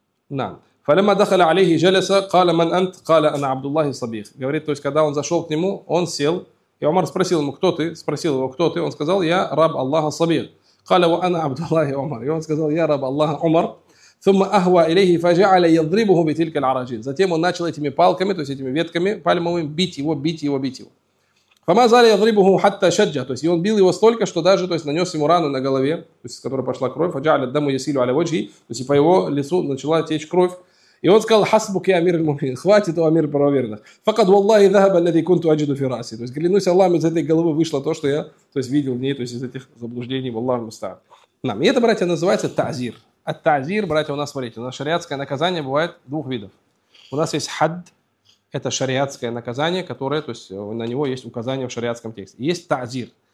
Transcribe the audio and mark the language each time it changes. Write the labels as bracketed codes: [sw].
[ar] نعم. فَلَمَّا دَخَلَ عَلَيْهِ جَلَسَ قَالَ مَنْ أَنْتَ قَالَ أَنَا عَبْدُ اللَّهِ الصَّبِيخِ. [ru] Говорит, то есть когда он зашел к нему, он сел. И Умар спросил ему, кто ты? Спросил его, кто ты? Он сказал, я раб Аллаха Сабих. [ar] قال وانا عبد الله عمر. [ru] И он сказал, я раб Аллаха Умар. [ar] ثم اهوى اليه فجعل يضربه بتلك العراجين. [ru] Затем он начал этими палками, то есть этими ветками пальмовыми бить его, бить его, бить его. [ar] فما زال يضربه حتى شج. [ru] То есть он бил его столько, что даже то есть нанес ему рану на голове, то есть из которой пошла кровь. [ar] فجعل الدم يسيل على وجهه. [ru] То есть по его лицу начала течь кровь. И он сказал, [ar] حسبك يا امير المؤمنين, [ru] хватит у амир правоверных. [ar] فقد والله ذهب الذي كنت اجد في راسي. [ru] То есть клянусь Аллахом, из этой головы вышло то, что я то есть видел в ней, то есть из этих заблуждений, [ar] والله المستعان. [ru] Нам это, братья, называется тазир. От тазир, братья, у нас смотрите, у нас шариатское наказание бывает двух видов. У нас есть хад, это шариатское наказание, которое, то есть на него есть указание в шариатском тексте. И есть тазир.